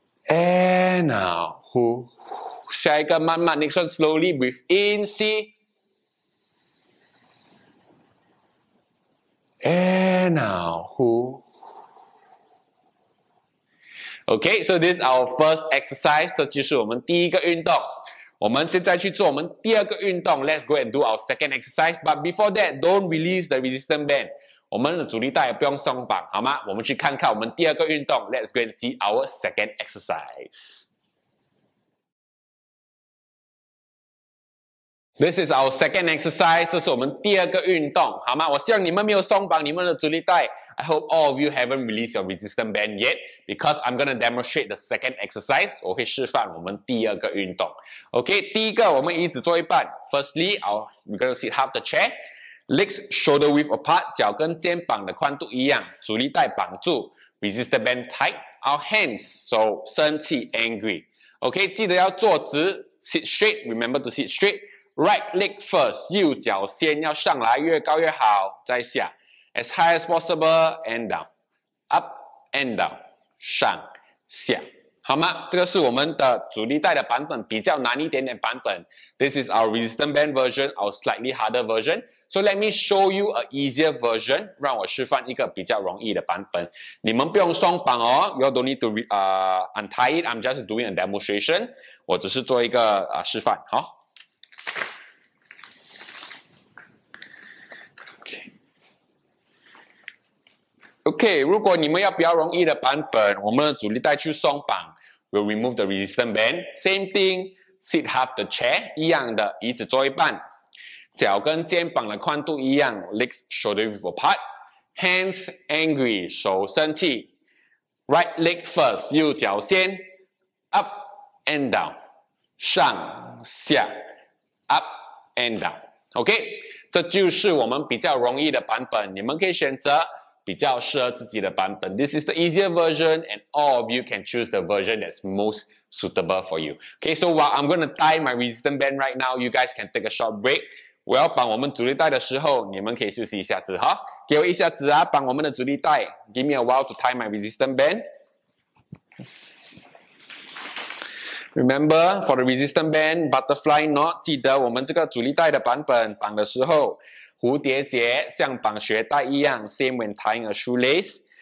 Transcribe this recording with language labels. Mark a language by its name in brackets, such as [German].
[English] and out, who, [Chinese] 下一个慢慢 [English] next one slowly, breathe in, see, and out, who,Okay, so this is our first exercise. [Chinese] 这就是我们第一个运动。我们现在去做我们第二个运动。 [English] Let's go and do our second exercise. But before that, don't release the resistance band. [Chinese] 我们的阻力带也不用松绑，好吗？我们去看看我们第二个运动。 [English] Let's go and see our second exercise. This is our second exercise. [Chinese] 这是我们第二个运动，好吗？我希望你们没有松绑你们的阻力带。 [English] I hope all of you haven't released your resistance band yet because I'm going to demonstrate the second exercise. [Chinese] 我会示范我们第二个运动。 Okay, 第一个我们椅子坐一半。 [English] Firstly, we're going to sit half the chair. Legs shoulder width apart, [Chinese] 脚跟肩膀的宽度一样。阻力带绑住 [English] ,resistance band tight. Our hands, so [Chinese] 生气 [English] angry. Okay, [Chinese] 记得要坐直 [English] ,sit straight, remember to sit straight. Right leg first, [Chinese] 右脚先要上来越高越好再下。 [English] As high as possible, and down. Up, and down. [Chinese] 上下。好吗？这个是我们的阻力带的版本，比较难一点点版本。 [English] This is our resistance band version, our slightly harder version. So let me show you an easier version. [Chinese] 让我示范一个比较容易的版本。你们不用松绑哦。 [English] You don't need to untie it. I'm just doing a demonstration. [Chinese] 我只是做一个示范。好。 Okay, 如果你们要比较容易的版本，我们的阻力带去松绑 ， [English] we'll remove the resistance band. Same thing, sit half the chair, [Chinese] 一样的，椅子坐一半，脚跟肩膀的宽度一样 [English] ，legs shoulder width apart, hands angry, [Chinese] 手生气 [English] ，right leg first, [Chinese] 右脚先 [English] ，up and down, [Chinese] 上下 [English] ，up and down. [Chinese] Okay, 这就是我们比较容易的版本，你们可以选择。比较适合自己的版本。 [English] This is the easier version, and all of you can choose the version that's most suitable for you. Okay, so while I'm going to tie my resistance band right now, you guys can take a short break. [Chinese] 我要绑我们阻力带的时候，你们可以休息一下子哈。给我一下子啊，绑我们的阻力带。 [English] Give me a while to tie my resistance band. Remember, for the resistance band, butterfly knot, [Chinese] 记得我们这个阻力带的版本绑的时候蝴蝶结像绑鞋带一样 [English] ，same when tying a shoelace.